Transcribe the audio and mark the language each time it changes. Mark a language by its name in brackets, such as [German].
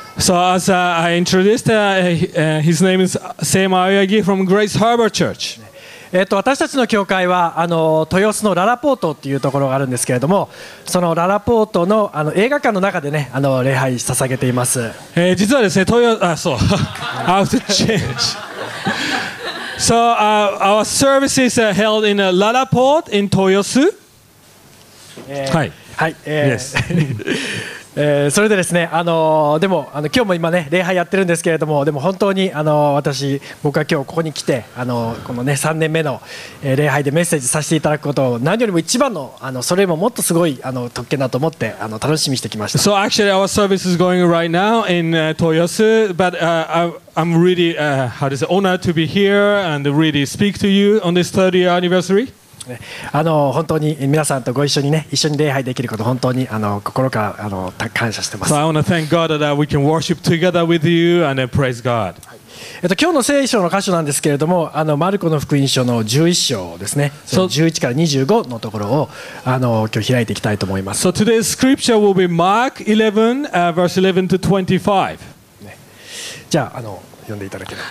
[English] So as I introduced, his name is 聖馬青柳 from Grace Harbor Church. [Japanese] 私たちの教会は豊洲のララポートっていうところがあるんですけれども、そのララポートの映画館の中でね、礼拝捧げています。実はですね、 [English] I have to change. So our service is held in Laraport in Toyosu. Yes. [Japanese] それでですね、でも今日も今ね礼拝やってるんですけれども、でも本当に私僕は今日ここに来てこのね3年目の礼拝でメッセージさせていただくことを何よりも一番のそれももっとすごい特権だと思って楽しみにしてきました。 [English] So actually our service is going right now in Toyosu, but I'm really honored to be here and really speak to you on this 30th anniversary. [Japanese] 本当に皆さんとご一緒にね、一緒に礼拝できること本当に心から感謝してます。 [English] So I want to thank God that we can worship together with you and praise God. [Japanese] 今日の聖書の箇所なんですけれども、マルコの福音書の11章ですね。 So, 11から25のところを今日開いていきたいと思います。 [English] So today's scripture will be Mark 11, verse 11 to 25. [Japanese] じゃあ読んでいただければ。